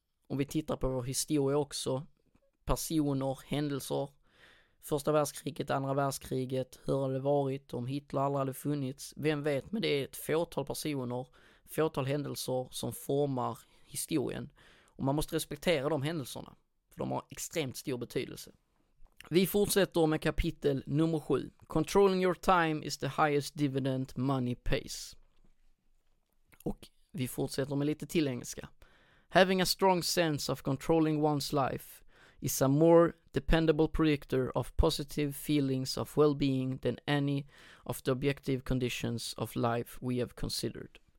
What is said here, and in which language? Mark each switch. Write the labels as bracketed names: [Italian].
[Swedish] Om vi tittar på vår historia också, personer, händelser, första världskriget, andra världskriget, hur har det varit, om Hitler aldrig hade funnits, vem vet, men det är ett fåtal personer, fåtal händelser som formar historien. Och man måste respektera de händelserna, för de har extremt stor betydelse. Vi fortsätter med kapitel nummer 7. [English] Controlling your time is the highest dividend money pays. [Swedish] Och vi fortsätter med lite till engelska. [English] Having a strong sense of controlling one's life is a more dependable predictor of positive feelings of well-being than any of the objective conditions of life we have considered.